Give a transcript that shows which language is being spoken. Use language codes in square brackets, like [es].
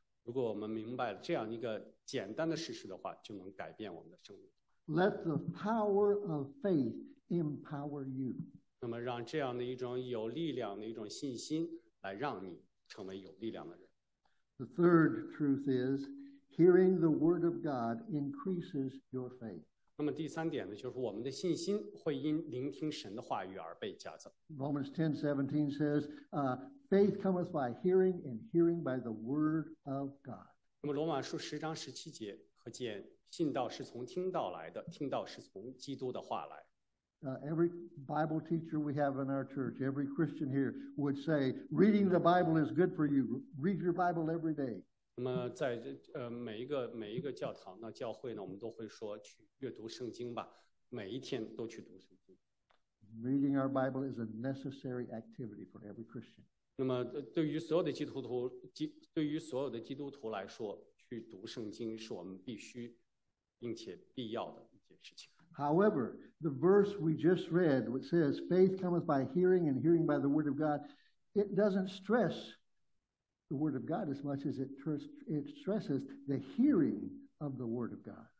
[zh] 如果我们明白了这样一个简单的事实的话，就能改变我们的生命。 [en] Let the power of faith empower you. [zh] 那么让这样的一种有力量的一种信心来让你成为有力量的人。 [en] The third truth is, hearing the word of God increases your faith. [zh] 那么第三点呢，就是我们的信心会因聆听神的话语而被加增。 [en] Romans 10:17 says, faith cometh by hearing, and hearing by the word of God. [zh] 那么罗马书10:17可见信道是从听道来的，听道是从基督的话来。 [en] Every Bible teacher we have in our church, every Christian here would say, reading the Bible is good for you. Read your Bible every day. [zh] 那么在每一个教堂呢，教会呢，我们都会说去阅读圣经吧，每一天都去读圣经。 [en] Reading our Bible is a necessary activity for every Christian. [zh] 那么对于所有的基督徒来说，去读圣经是我们必须并且必要的一件事情。 [en] However, the verse we just read, which says faith cometh by hearing and hearing by the word of God, it doesn't stress the word of God as much as it stresses the hearing of the word of God.